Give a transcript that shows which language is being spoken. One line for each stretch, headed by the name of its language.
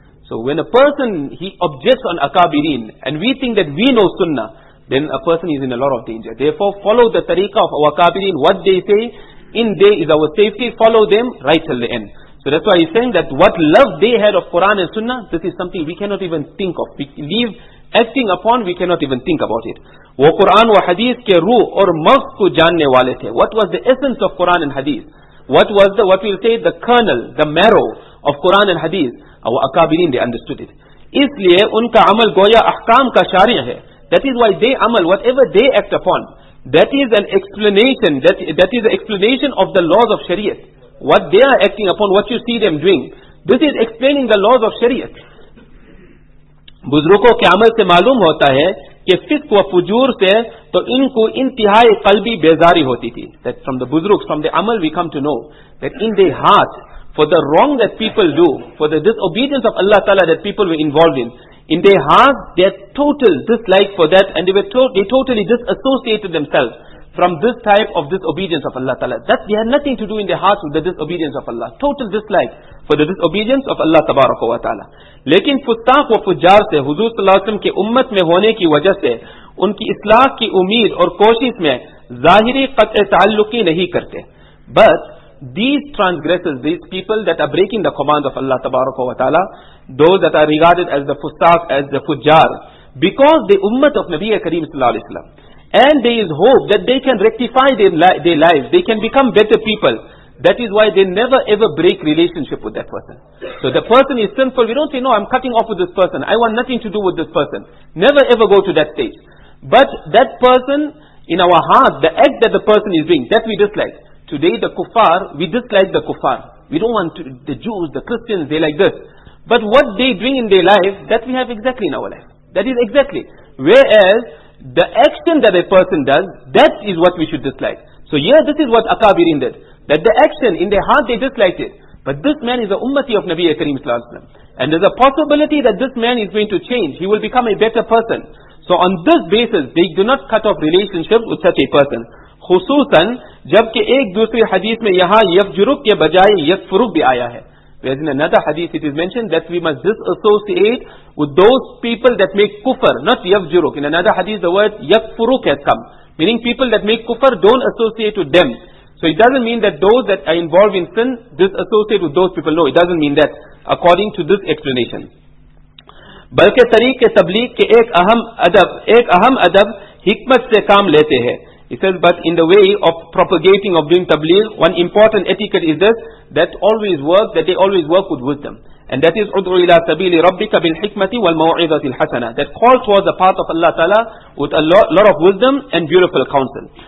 English: So when a person, he objects on akabirin, and we think that we know sunnah, then a person is in a lot of danger. Therefore, follow the tariqah of our akabirin, what they say, in day is our safety, follow them right till the end. So that's why he's saying that what love they had of Quran and sunnah, this is something we cannot even think of. We leave acting upon, we cannot even think about it.
Urdu: وہ قرآن و حدیث کے روح اور مغز کو جاننے والے تھے.
English: What was the essence of Quran and Hadith? What we'll say, the kernel, the marrow of Quran and Hadith? Our akabirin, they understood it.
Urdu: اس لئے ان کا عمل گویا احکام کا شارع ہے.
English: That is why they عمل, whatever they act upon, that is an explanation, that is the explanation of the laws of Shariah. What they are acting upon, what you see them doing, this is explaining the laws of Shariah.
Urdu: بزرگوں کے عمل سے معلوم ہوتا ہے کہ فسق و فجور سے تو ان کو انتہائی قلبی بیزاری ہوتی تھی.
English: That from the buzruk, from the amal we come to know that in their heart, for the wrong that people do, for the disobedience of Allah Ta'ala that people were involved in their heart, their total dislike for that, and they totally disassociated themselves from this type of disobedience of Allah Ta'ala. That they had nothing to do in their hearts with the disobedience of Allah. Total dislike for the disobedience of Allah Tabaraka wa Ta'ala.
Urdu: لیکن فتاق و فجار سے حضور صلی اللہ علیہ وسلم کے امت میں ہونے کی وجہ سے ان کی اصلاح کی امید اور کوشش میں ظاہری قطع تعلقی نہیں کرتے.
English: But these transgressors, these people that are breaking the command of Allah تبارک و تعالی, those that are regarded as the فتاق, as the فجار, because the امت of نبی کریم صلی اللہ علیہ وسلم, and there is hope that they can rectify their lives, they can become better people, that is why they never ever break relationship with that person. So the person is sinful, we don't say, no, I'm cutting off with this person, I want nothing to do with this person. Never ever go to that stage. But that person, in our heart, the act that the person is doing, that we dislike. Today the kuffar, we dislike the kuffar. We don't want to, the Jews, the Christians, they like this. But what they bring in their life, that we have exactly in our life. That is exactly. Whereas, the action that a person does, that is what we should dislike. So here, this is what akabirin did. That the action, in their heart they disliked it. But this man is a ummati of Nabi Kareem Sallallahu Alaihi Wasallam. And there's a possibility that this man is going to change. He will become a better person. So on this basis, they do not cut off relationships with such a person.
Urdu: خصوصاً جبکہ ایک دوسری حدیث میں یہاں یفجرک کے بجائے یفرک بھی آیا ہے.
English: Whereas in another hadith it is mentioned that we must disassociate with those people that make kufr, not yafjuruk. In another hadith the word yafuruk has come, meaning people that make kufr, don't associate with them. So it doesn't mean that those that are involved in sin, disassociate with those people. No, it doesn't mean that according to this explanation.
Urdu: بلکہ طریق تبلیغ کے ایک اہم ادب حکمت سے کام لیتے ہیں.
English: He says, but in the way of propagating, of doing tabligh, one important etiquette is this, that always work, that they always work with wisdom. And that is,
Arabic: عُدْعُ إِلَىٰ سَبِيلِ رَبِّكَ بِالْحِكْمَةِ وَالْمَوْعِذَةِ الْحَسَنَةِ.
English: That call towards the path of Allah Ta'ala with a lot of wisdom and beautiful counsel.